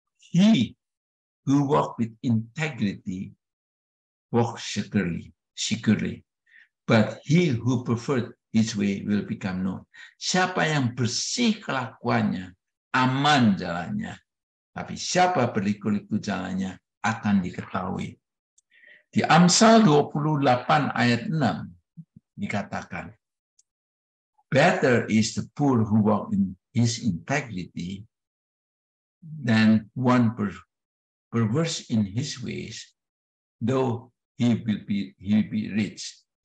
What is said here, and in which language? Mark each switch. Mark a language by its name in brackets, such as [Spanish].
[English] He who walk with integrity walk securely, securely. But he who preferred his way will become known. [Indonesian] Siapa yang bersih kelakuannya, aman jalannya. Tapi siapa berliku-liku jalannya akan diketahui. Di Amsal 28 ayat 6 dikatakan, [English] better is the poor who walk in his integrity than one perverse in his ways, though he will be rich.